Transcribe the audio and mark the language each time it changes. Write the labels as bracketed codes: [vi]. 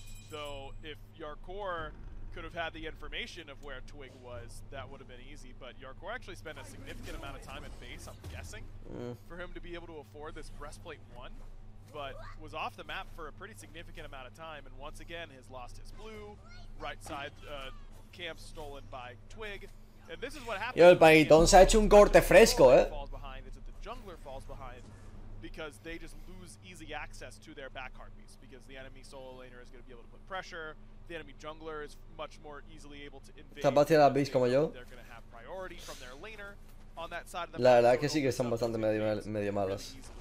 [en] Though, if Yarkor could have had the information of where Twig was, that would have been easy, but Yarkor actually spent a significant amount of time at base, I'm guessing, for him to be able to afford this breastplate one, but was off the map for a pretty significant amount of time, and once again has lost his blue, right side camp stolen by Twig, and this is what happened. [es] Yo, el Paguitón se ha hecho un corte fresco, eh. [en] Falls behind, it's that the jungler falls behind, because they just lose easy access to their back harpies, because the enemy solo laner is going to be able to put pressure. The enemy jungler is much more easily able to invade. [es] Base como yo. [en] They're going to have priority from their laner on that side of the [es] map. La verdad que sí que están bastante medio malas.